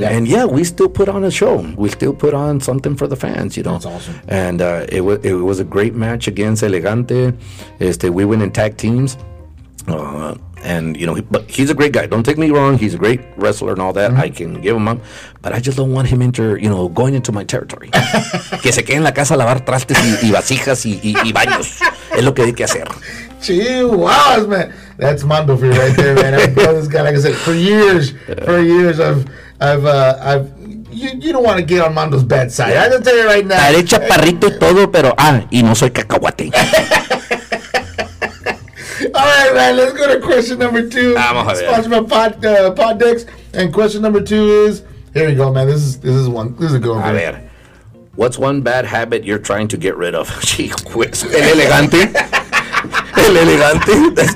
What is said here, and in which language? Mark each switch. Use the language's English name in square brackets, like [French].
[English] Yeah. And yeah, we still put on a show. We still put on something for the fans, you know. That's awesome. And it was a great match against Elegante. We went in tag teams. And, you know, but he's a great guy. Don't take me wrong. He's a great wrestler and all that. Mm-hmm. I can give him up. But I just don't want him going into my territory. [Spanish] Que se quede en la casa a lavar trastes y vasijas y baños. Es lo que hay que hacer. [English] Chihuahuas, man. That's Mando for you right there, man. I know this guy, like I said, for years, you don't want to get on Mando's bad side. Yeah. I can tell you right now. [Spanish] Daré chaparrito todo, pero, y no soy cacahuate. [English] All right, man, let's go to question number two. Sponsored by Poddex. And question number two is, here we go, man. This is a good one. [Spanish] A ver. [English] What's one bad habit you're trying to get rid of? She quits. [Spanish] El elegante. El elegante.